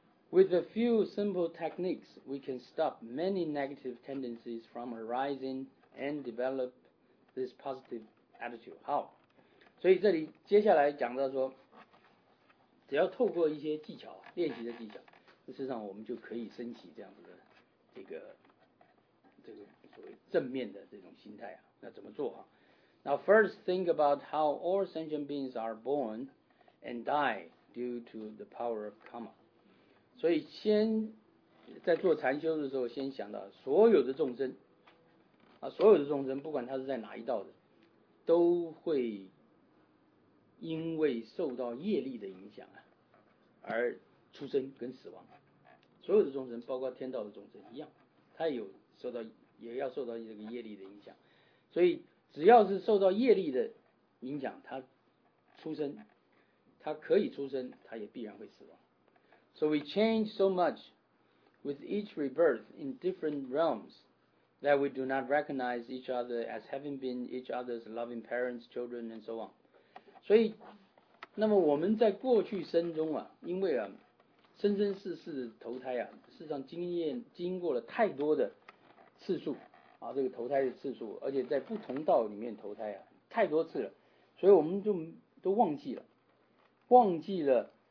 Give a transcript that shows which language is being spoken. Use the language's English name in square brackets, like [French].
[English] With a few simple techniques, we can stop many negative tendencies from arising and develop this positive attitude. [Chinese] 好，所以这里接下来讲到说，只要透过一些技巧，练习的技巧，事实上我们就可以升起这样子的这个所谓正面的这种心态啊。那怎么做啊？ [English] Now first, think about how all sentient beings are born and die due to the power of karma. [Chinese] 所以先在做禅修的时候，先想到所有的众生啊，所有的众生，不管他是在哪一道的，都会因为受到业力的影响啊，而出生跟死亡。所有的众生，包括天道的众生一样，他也有受到，也要受到这个业力的影响。所以只要是受到业力的影响，他出生，他可以出生，他也必然会死亡。 [English] So we change so much with each rebirth in different realms that we do not recognize each other as having been each other's loving parents, children, and so on. [Chinese] 所以，那么我们在过去生中啊，因为啊，生生世世的投胎啊，事实上经过了太多的次数啊，这个投胎的次数，而且在不同道里面投胎啊，太多次了，所以我们就都忘记了。